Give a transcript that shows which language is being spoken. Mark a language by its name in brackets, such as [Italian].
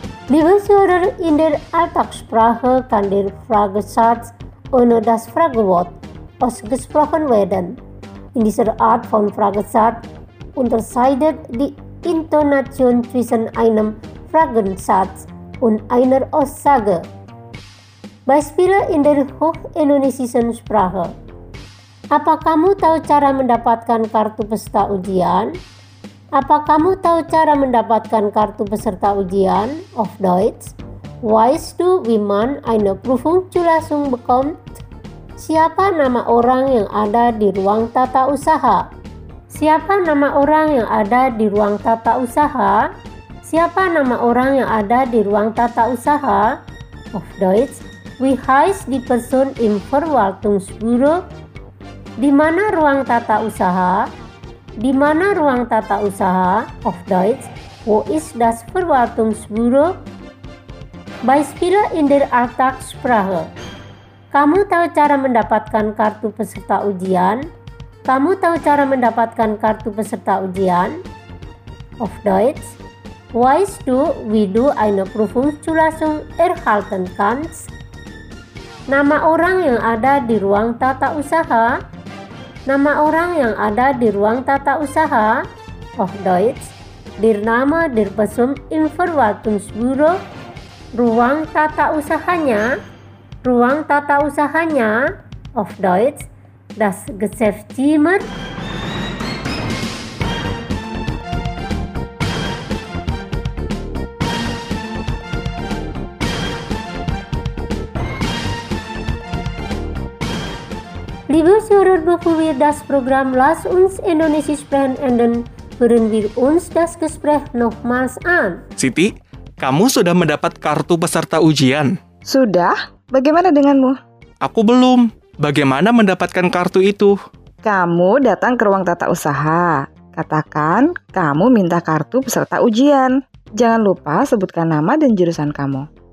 [German] Liebe Zuhörer, in der Alltagssprache kann der Fragesatz ohne das Fragewort ausgesprochen werden. In dieser Art von Fragesatz unterscheidet die Intonation zwischen einem Fragensatz und einer Aussage. Beispiele in der Hochindonesischen Sprache. [Indonesian] Apa kamu tahu cara mendapatkan kartu peserta ujian? Apa kamu tahu cara mendapatkan kartu peserta ujian? [German] Auf Deutsch. Weißt du, wie man eine Prüfungszulassung bekommt? [Indonesian] Siapa nama orang yang ada di ruang tata usaha? Siapa nama orang yang ada di ruang tata usaha? Siapa nama orang yang ada di ruang tata usaha? [German] Auf Deutsch, wie heißt die Person im Verwaltungsbüro? [Indonesian] Di mana ruang tata usaha? Di mana ruang tata usaha? [German] Auf Deutsch, wo ist das Verwaltungsbüro? Beispiele in der Alltagssprache. [Indonesian] Kamu tahu cara mendapatkan kartu peserta ujian? Kamu tahu cara mendapatkan kartu peserta ujian? [German] Auf Deutsch. Weißt du, wie du eine Prüfungszulassung erhalten kannst? [Indonesian] Nama orang yang ada di ruang tata usaha? Nama orang yang ada di ruang tata usaha? [German] Auf Deutsch. Der Name der Person im Verwaltungsbüro? [Indonesian] Ruang tata usahanya? Ruang tata usahanya? [German] Auf Deutsch. Das Geschäftszimmer. Liebe Zuhörer, bevor wir das Programm Lass uns Indonesisch sprechen enden, hören wir uns das Gespräch nochmals an. [Indonesian] Siti, kamu sudah mendapat kartu peserta ujian? Sudah. Bagaimana denganmu? Aku belum. Bagaimana mendapatkan kartu itu? Kamu datang ke ruang tata usaha. Katakan, kamu minta kartu peserta ujian. Jangan lupa sebutkan nama dan jurusan kamu.